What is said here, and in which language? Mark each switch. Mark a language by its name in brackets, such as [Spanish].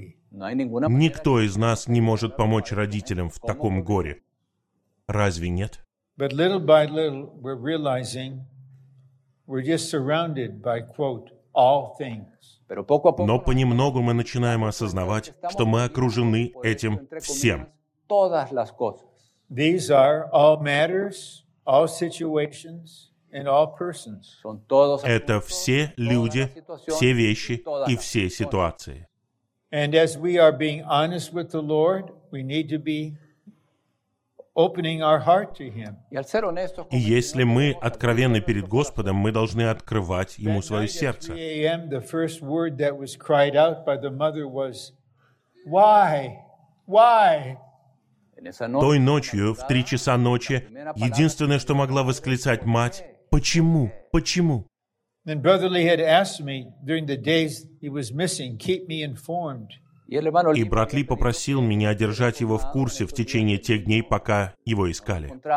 [Russian] Никто из нас не может помочь родителям в таком горе. Разве нет? [English] But little by little we're realizing we're just surrounded by, quote, all things. [Russian] Но понемногу мы начинаем осознавать, что мы окружены этим всем. [English] These are all matters, all situations, and all persons. [Russian] Это все люди, все вещи и все ситуации. [English] And as we are being honest with the Lord, we need to be opening our heart to Him. [Russian] И если мы откровенны перед Господом, мы должны открывать Ему свое сердце. [English] The first word that was cried out by the mother was, Why? [Russian] Той ночью, в 3 часа ночи, единственное, что могла восклицать мать, почему? [English] And Brother Lee had asked me during the days he was missing, keep me informed. [Russian] И брат Ли попросил меня держать его в курсе в течение тех дней, пока его искали.